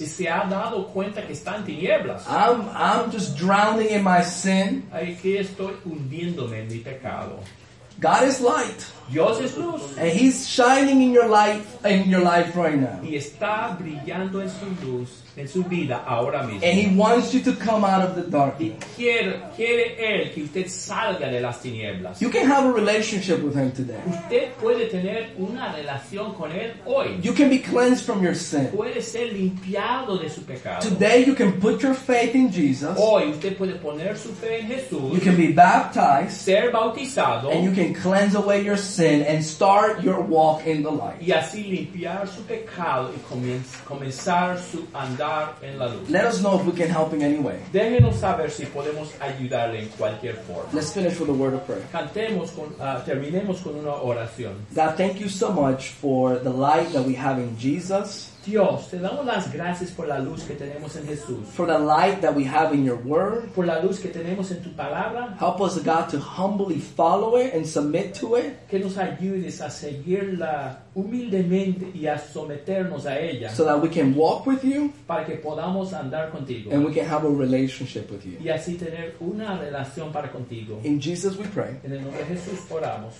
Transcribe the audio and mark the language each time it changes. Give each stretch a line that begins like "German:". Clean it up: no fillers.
Spanish: Y se ha dado cuenta que está en tinieblas.
English: I'm just drowning in my sin.
Spanish: Aquí estoy hundiéndome en mi pecado.
English: God is light.
Spanish: Dios es luz.
English: And He's shining in your life right now.
Spanish: Y está brillando en su luz, en su vida ahora mismo.
English: And He wants you to come out of the darkness.
Spanish: Y quiere Él que usted salga de las tinieblas.
English: You can have a relationship with Him today.
Spanish: Usted puede tener una relación con Él hoy.
English: You can be cleansed from your sin.
Spanish: Puede ser limpiado de su pecado.
English: Today you can put your faith in Jesus.
Spanish: Hoy usted puede poner su fe en Jesús.
English: You can be baptized.
Spanish: Ser bautizado.
English: And you can cleanse away your sin and start your walk in the light.
Spanish: Y así limpiar su pecado y comenzar su andar en la luz.
English: Let us know if we can help in any way.
Spanish: Déjenos saber si podemos ayudarle en cualquier forma.
English: Let's finish with a word of prayer.
Spanish: Cantemos con, terminemos con una oración.
English: God, thank you so much for the light that we have in Jesus.
Spanish: Dios, te damos las gracias por la luz que tenemos en Jesús.
English: For the light that we have in your word.
Spanish: Por la luz que tenemos en tu palabra.
English: Help us, God, to humbly follow it and submit to it.
Spanish: Que nos ayudes a seguirla humildemente y a someternos a ella.
English: So that we can walk with you.
Spanish: Para que podamos andar contigo.
English: And we can have a relationship with you.
Spanish: Y así tener una relación para contigo.
English: In Jesus we pray.
Spanish: En el nombre de Jesús oramos.